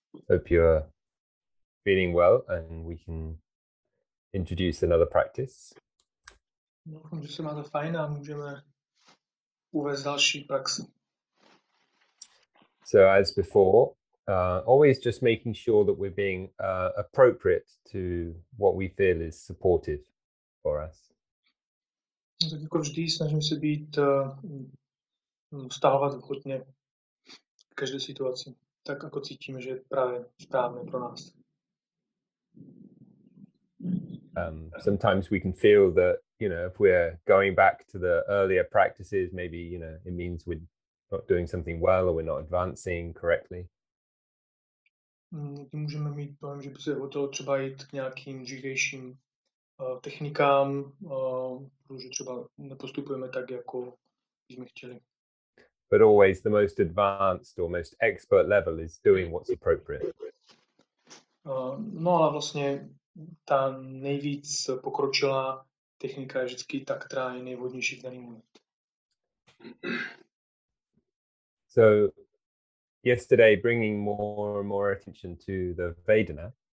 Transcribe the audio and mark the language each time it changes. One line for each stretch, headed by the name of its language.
English: Hope you're feeling well and we can introduce another practice.
Czech: Doufám, že se máte fajn a můžeme uvést další praxi.
English: So as before, always just making sure that we're being appropriate to what we feel is supportive for us.
Czech: Tak jako vždy snažím se být vztahovat vhodně v každé situaci, tak jako cítím, že je právě správně pro nás.
English: Sometimes we can feel that, you know, if we're going back to the earlier practices, maybe, you know, it means we're not doing something well or we're not advancing correctly.
Czech: Můžeme mít pojem, že by se hodilo třeba jít k nějakým dřívějším technikám, protože třeba nepostupujeme tak, jako jsme chtěli.
English: But always the most advanced or most expert level is doing what's appropriate.
Czech: No ale vlastně ta nejvíc pokročilá technika je vždycky ta, která je nejvhodnější v daný moment.
English: So yesterday bringing more and more attention to the Vedana.